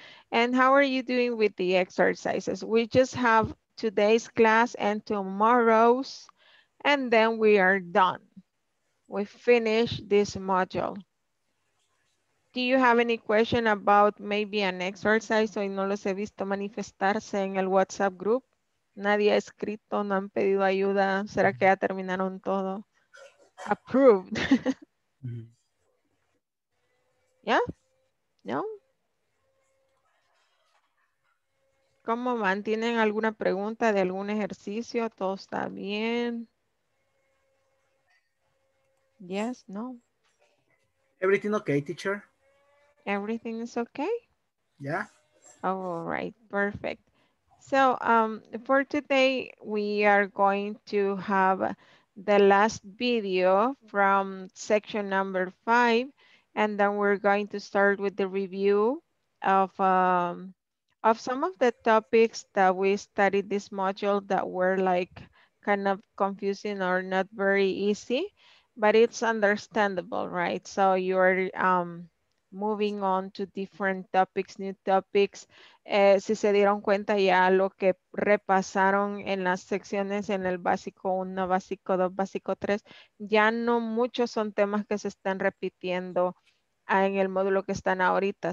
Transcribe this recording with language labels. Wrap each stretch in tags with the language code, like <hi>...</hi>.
<en>And how are you doing with the exercises? We just have today's class and tomorrow's, and then we are done. We finish this module. Do you have any question about maybe an exercise?</en> <es>Hoy no los he visto manifestarse en el WhatsApp group. Nadie ha escrito, no han pedido ayuda. ¿Será que ya terminaron todo? Approved.</es> <en>¿Yeah? ¿No?</en> <es>¿Cómo van? ¿Tienen alguna pregunta de algún ejercicio? ¿Todo está bien? ¿Yes? ¿No?</es> <en>Everything okay, teacher? Everything is okay? Yeah. All right, perfect. So for today, we are going to have the last video from section number 5, and then we're going to start with the review of some of the topics that we studied this module that were like kind of confusing or not very easy, but it's understandable, right? So you're moving on to different topics, new topics.</en> <es>Si se dieron cuenta ya lo que repasaron en las secciones en el básico 1, básico 2, básico 3, ya no muchos son temas que se están repitiendo en el módulo que están ahorita.</es>